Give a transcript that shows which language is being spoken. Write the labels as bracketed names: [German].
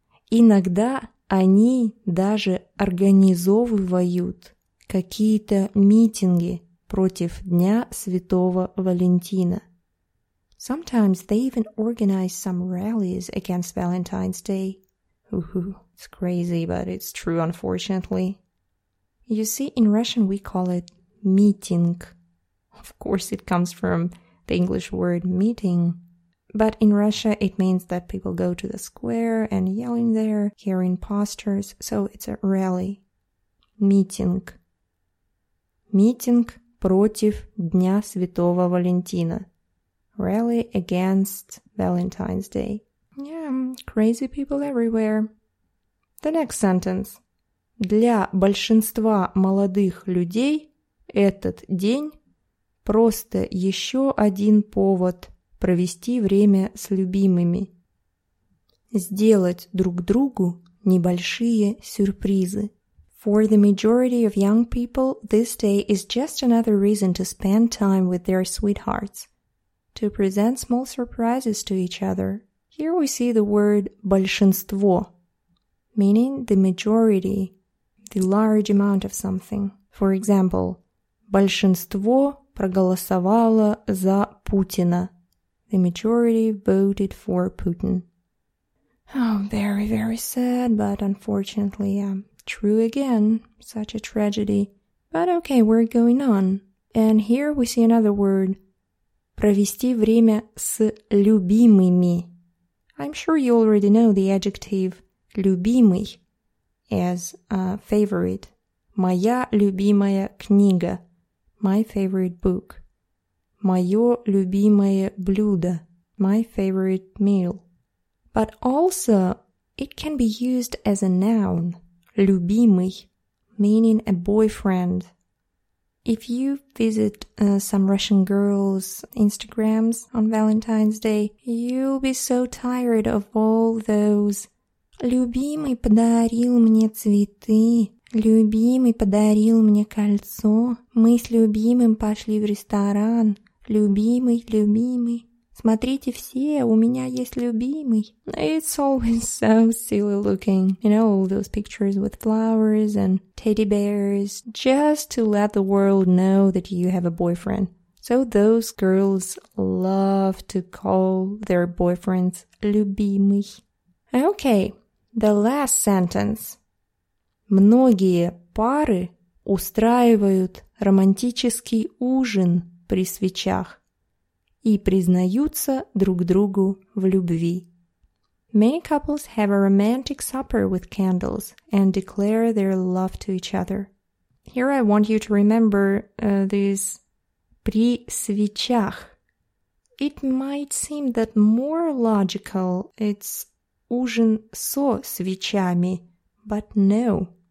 [Russian] Иногда они даже организовывают какие-то митинги против Дня Святого Валентина. [English] Sometimes they even organize some rallies against Valentine's Day. It's crazy, but it's true, unfortunately. You see, in Russian we call it meeting. Of course it comes from the English word meeting. But in Russia, it means that people go to the square and yell in there, carrying posters, so it's a rally. [Russian] Митинг. Митинг против Дня Святого Валентина. [English] Rally against Valentine's Day. Yeah, crazy people everywhere. The next sentence. [Russian] Для большинства молодых людей этот день просто еще один повод провести время с любимыми. Сделать друг другу небольшие сюрпризы. [English] For the majority of young people, this day is just another reason to spend time with their sweethearts. To present small surprises to each other. Here we see the word [Russian] большинство, [English] meaning the majority, the large amount of something. For example, [Russian] большинство проголосовало за Путина. [English] The majority voted for Putin. Oh, very, very sad, but unfortunately, true again, such a tragedy. But okay, we're going on. And here we see another word. [Russian] Провести время с любимыми. [English] I'm sure you already know the adjective любимый as a favorite. [Russian] Моя любимая книга. [English] My favorite book. [Russian] Моё любимое блюдо, [English] my favorite meal. But also, it can be used as a noun, [Russian] любимый, [English] meaning a boyfriend. If you visit some Russian girls' Instagrams on Valentine's Day, you'll be so tired of all those [Russian] любимый подарил мне цветы. Любимый подарил мне кольцо. Мы с любимым пошли в ресторан. Любимый, любимый. Смотрите все, у меня есть любимый. [English] It's always so silly looking. You know, all those pictures with flowers and teddy bears. Just to let the world know that you have a boyfriend. So those girls love to call their boyfriends любимый. Okay, the last sentence. [Russian] Многие пары устраивают романтический ужин при свечах и признаются друг другу в любви. [English] Many couples have a romantic supper with candles and declare their love to each other. Here I want you to remember this [Russian] при свечах. [English] It might seem that more logical it's [Russian] ужин со свечами, [English] but no.